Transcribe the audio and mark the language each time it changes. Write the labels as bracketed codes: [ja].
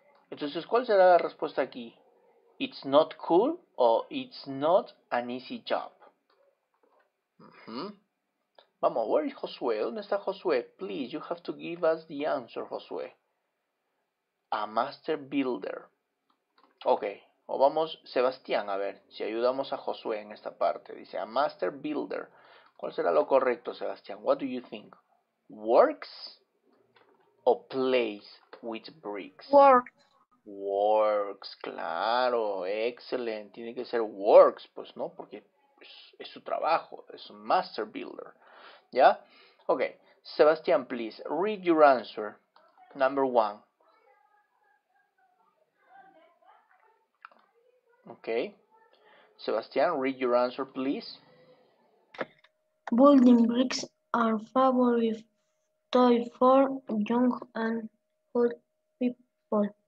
[es] Entonces, ¿cuál será la respuesta aquí? [en] It's not cool o it's not an easy job. [es] Vamos, [en] where is Josué? [es] ¿Dónde está Josué? [en] Please, you have to give us the answer, Josué. A master builder. [es] Ok, o vamos, Sebastián, a ver si ayudamos a Josué en esta parte. Dice, [en] a master builder. [es] ¿Cuál será lo correcto, Sebastián? [en] What do you think? ¿Works o plays with bricks? Works. [es] Works, claro, excelente. Tiene que ser works, pues no, porque es su trabajo, es un master builder. ¿Ya? [en] Ok, Sebastián, please, read your answer, number one. Ok, Sebastián, read your answer, please. Building bricks are favorite toy for young and old people.